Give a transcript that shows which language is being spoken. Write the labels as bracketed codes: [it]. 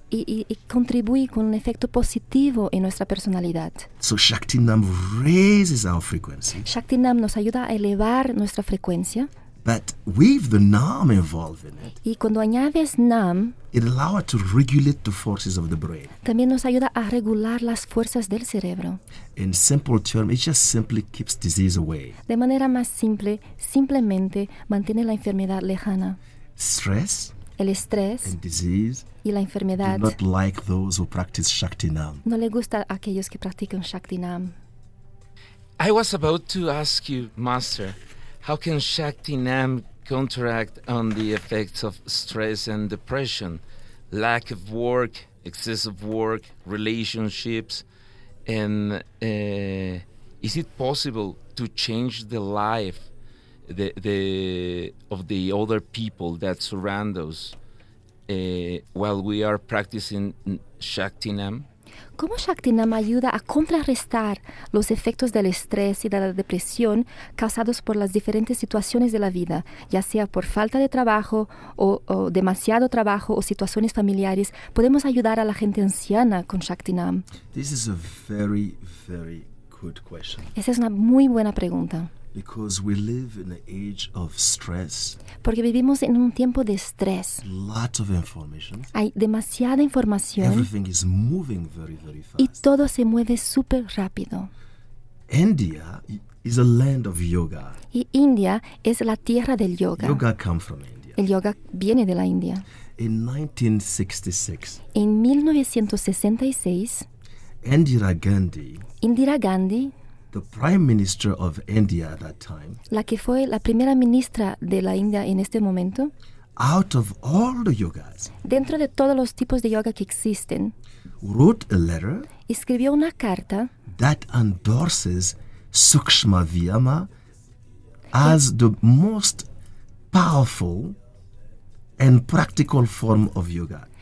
[es] Y contribuye con un efecto positivo en nuestra personalidad. [en] So Shakti Nam raises our frequency. [es] Shakti Nam nos ayuda a elevar nuestra frecuencia. [en] But with the Nam involved in it, [es] y cuando añades Nam, [en] it allows to regulate the forces of the brain. [es] También nos ayuda a regular las fuerzas del cerebro. [en] In simple terms, it just simply keeps disease away. [es] De manera más simple, simplemente mantiene la enfermedad lejana. [en] Stress, [es] el estrés, [en] and disease, [es] y la enfermedad, [en] do not like those who practice Shakti Nam. [es] No le gusta a aquellos que practican Shakti Nam. [en] I was about to ask you, Master, how can Shakti Nam counteract on the effects of stress and depression, lack of work, excessive work, relationships, and is it possible to change the life of the other people that surround us while we are practicing Shakti Nam? [es] ¿Cómo Shakti Nam ayuda a contrarrestar los efectos del estrés y de la depresión causados por las diferentes situaciones de la vida, ya sea por falta de trabajo o demasiado trabajo o situaciones familiares? ¿Podemos ayudar a la gente anciana con Shakti Nam? [en] This is a very, very good question. [es] Esa es una muy buena pregunta. [en] Because we live in an age of stress. [es] Porque vivimos en un tiempo de estrés. [en] Lots of information. [es] Hay demasiada información. [en] Everything is moving very, very fast. [es] Y todo se mueve súper rápido. [en] India is a land of yoga. [es] Y India es la tierra del yoga. [en] Yoga comes from India. [es] El yoga viene de la India. [en] In 1966. [es] En 1966. [en] Indira Gandhi. The Prime Minister of India at that time. [es] La que fue la primera ministra de la India en este momento. [en] Out of all the yogas. [es] Dentro de todos los tipos de yoga que existen. [en] wrote a letter. [es] Escribió una carta. [en] That endorses Sukshma Vyama as the most powerful and practical form of yoga.